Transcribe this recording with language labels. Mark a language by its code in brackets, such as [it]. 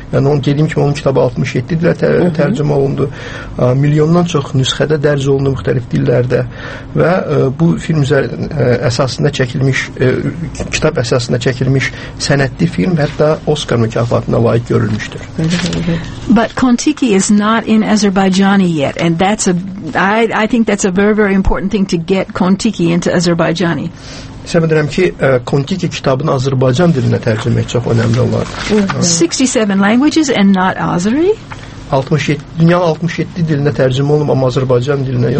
[az] Yani onun dediğim gibi onun kitabı 67 dilde tercüme olundu. Milyondan çok nüshede derc olundu muhtelif dillerde. Ve bu film esasında çekilmiş, kitap esasında çekilmiş senetli film hatta Oscar mükafatına layık görülmüştür. [en] But Kon-Tiki is not in Azerbaijani yet, and that's I think that's a very, very important thing to get Kon-Tiki into Azerbaijani. [az] Sebebim ki Kon-Tiki kitabını Azerbaycan diline tercüme etmek çok önemli olur. [en] 67 languages and not Azeri? [az] 67 dünyanın 67 diline tercüme olunmuş ama Azerbaycan diline yok.